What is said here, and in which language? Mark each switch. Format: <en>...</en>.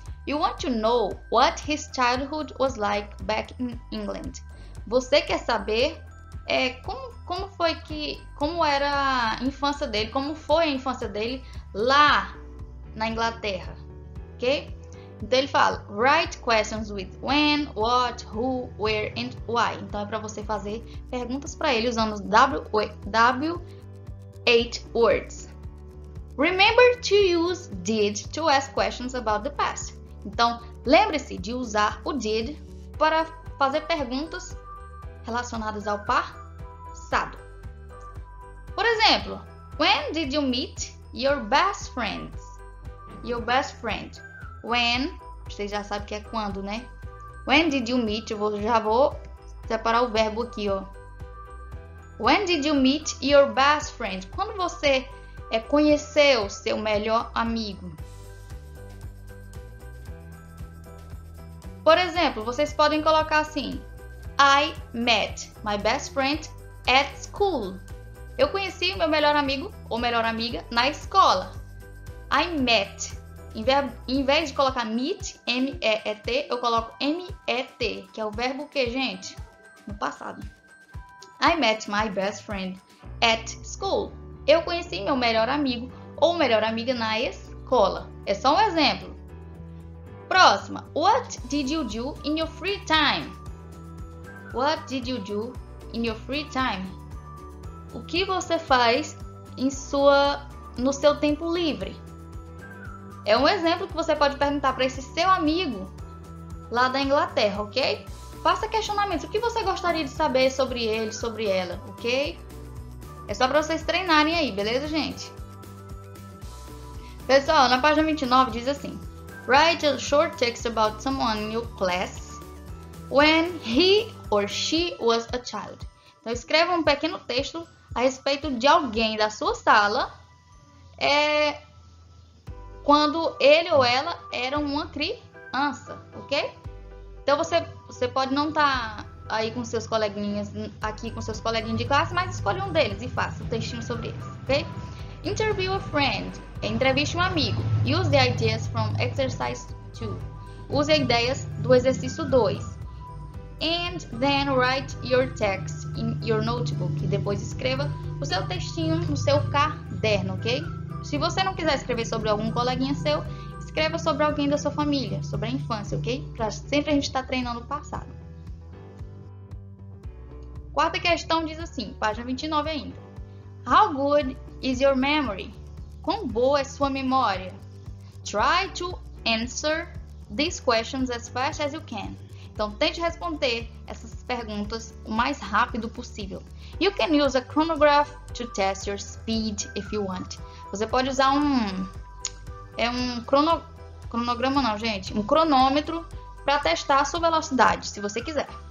<en>You want to know what his childhood was like back in England.</en> <pt>Você quer saber como foi a infância dele lá na Inglaterra, ok? Então ele fala,</pt> <en>write questions with when, what, who, where and why.</en> <pt>Então é para você fazer perguntas para ele usando os W8 words.</pt> <en>Remember to use did to ask questions about the past.</en> <pt>Então, lembre-se de usar o did para fazer perguntas relacionadas ao passado. Por exemplo,</pt> <en>when did you meet your best friend? Your best friend.</en> <pt>When, você já sabe que é quando, né?</pt> <en>When did you meet,</en> <pt>já vou separar o verbo aqui, ó.</pt> <en>When did you meet your best friend?</en> <pt>Quando você conheceu seu melhor amigo? Por exemplo, vocês podem colocar assim,</pt> <en>I met my best friend at school.</en> <pt>Eu conheci meu melhor amigo ou melhor amiga na escola.</pt> <en>I met.</en> <pt>Em vez de colocar meet, M-E-E-T, eu coloco M-E-T, que é o verbo que, gente? No passado.</pt> <en>I met my best friend at school.</en> <pt>Eu conheci meu melhor amigo ou melhor amiga na escola. É só um exemplo. Próxima.</pt> <en>What did you do in your free time? What did you do in your free time?</en> <pt>O que você faz no seu tempo livre? É um exemplo que você pode perguntar para esse seu amigo lá da Inglaterra, ok? Faça questionamentos. O que você gostaria de saber sobre ele, sobre ela, ok? É só para vocês treinarem aí, beleza, gente? Pessoal, na página 29 diz assim.</pt> <en>Write a short text about someone in your class when he or she was a child.</en> <pt>Então, escreva um pequeno texto a respeito de alguém da sua sala quando ele ou ela era uma criança, ok? Então, você pode não estar aí com seus coleguinhas, aqui com seus coleguinhas de classe, mas escolhe um deles e faça um textinho sobre eles, ok?</pt> <en>Interview a friend.</en> <pt>Entreviste um amigo.</pt> <en>Use the ideas from exercise 2.</en> <pt>Use ideias do exercício 2.</pt> <en>And then write your text in your notebook.</en> <pt>E depois escreva o seu textinho no seu caderno, ok? Se você não quiser escrever sobre algum coleguinha seu, escreva sobre alguém da sua família, sobre a infância, ok? Pra sempre a gente estar treinando o passado. Quarta questão diz assim, página 29 ainda.</pt> <en>How good is your memory?</en> <pt>Quão boa é sua memória?</pt> <en>Try to answer these questions as fast as you can.</en> <pt>Então, tente responder essas perguntas o mais rápido possível.</pt> <en>You can use a chronograph to test your speed if you want.</en> <pt>Você pode usar um cronômetro para testar a sua velocidade, se você quiser.</pt>